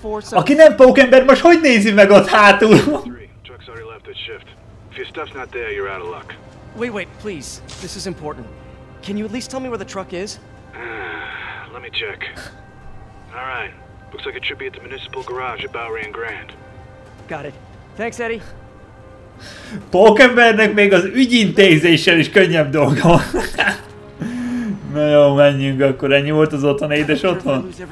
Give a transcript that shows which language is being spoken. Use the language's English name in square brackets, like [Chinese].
[Hungarian] Aki nem Pókember, most hogy nézi meg ott hátul? [English] Trucks already left at shift. If your stuff's not there, you're out of luck. Wait, please. This is important. Can you at least tell me where the truck is? Let me check. All right. Looks like it should be at the municipal garage at Bowery and Grand. Got it. Thanks, Eddie. [Hungarian] Pókembernek még az ügyintézéssel is könnyebb dolga. Na jó, menjünk akkor. Ennyi volt az otthon, édes otthon?